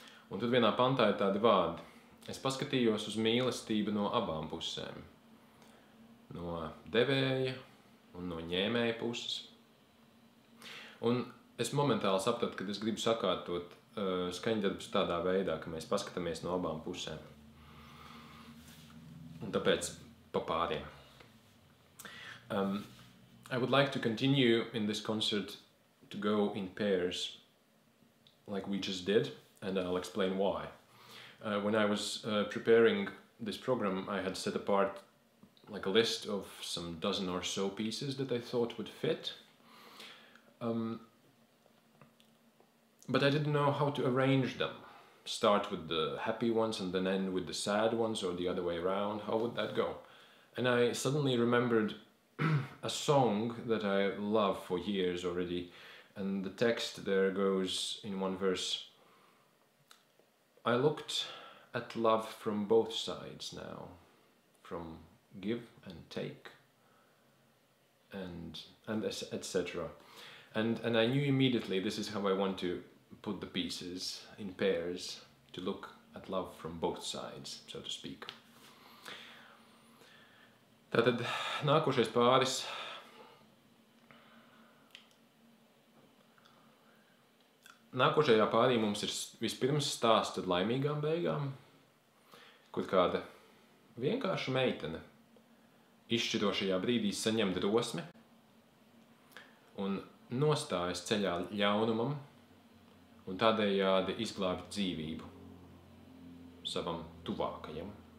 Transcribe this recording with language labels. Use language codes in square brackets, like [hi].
[lv] Un tad vienā pantā ir tādi vārdi. Es paskatījos uz mīlestību no abām pusēm. No devēja un no ņēmēja puses. Un es momentāli sapratu, ka es gribu sakārtot skaņdarbus tādā veidā, ka mēs paskatāmies no abām pusēm. Un tāpēc pa pāriem. [en] I would like to continue in this concert to go in pairs like we just did, and I'll explain why. When I was preparing this program, I had set apart like a list of some dozen or so pieces that I thought would fit. But I didn't know how to arrange them. Start with the happy ones and then end with the sad ones, or the other way around. How would that go? And I suddenly remembered a song that I love for years already. And the text there goes in one verse. I looked at love from both sides now, from give and take, and etc. And I knew immediately this is how I want to put the pieces in pairs, to look at love from both sides, so to speak. [lv] Tātad nākošais pāris Nākošajā pārī mums ir vispirms stāsts ar laimīgām beigām, kur kāda vienkārša meitene izšķirošajā brīdī saņem drosmi un nostājas ceļā ļaunumam un tādējādi izglābi dzīvību savam tuvākajam.